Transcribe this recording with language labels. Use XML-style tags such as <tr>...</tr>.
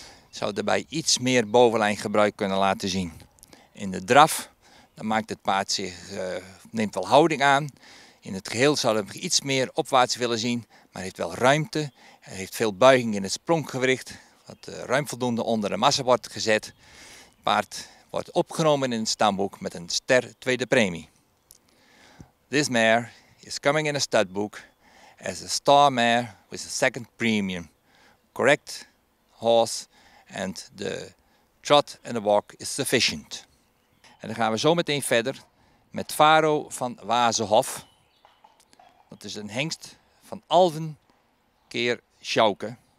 <nl>Zou daarbij iets meer bovenlijn gebruik kunnen laten zien. In de draf, dan maakt het paard zich, neemt wel houding aan. In het geheel zou het iets meer opwaarts willen zien, maar heeft wel ruimte. Hij heeft veel buiging in het spronggewricht, wat ruim voldoende onder de massa wordt gezet. Het paard wordt opgenomen in het stamboek met een ster tweede premie.</nl> <en>This mare is coming in a studbook as a star mare with a second premium. Correct horse and the trot and the walk is sufficient.</en> <nl>En dan gaan we zo meteen verder met Faro van Wazehof. Dat is een hengst van Alven keer Schauke.</nl>